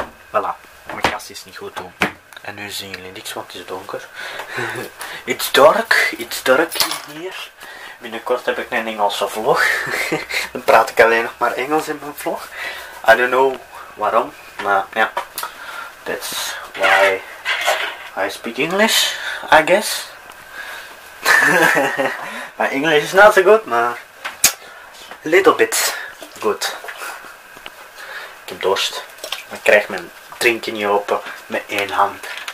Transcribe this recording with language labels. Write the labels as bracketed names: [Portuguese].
[Dutch] Voilà, mijn kast is niet goed doen. En nu zien jullie niks, want het is donker. [English] It's dark [Dutch] hier. Binnenkort heb ik een Engelse vlog. Dan praat ik alleen nog maar Engels in mijn vlog. [English] I don't know [Dutch] waarom, maar ja. [English] Yeah. That's why I speak English, I guess. [Dutch] Mijn Engels is niet zo goed, maar... [English] Little bit good. [Dutch] Ik heb dorst. Ik krijg mijn drinken niet open met één hand.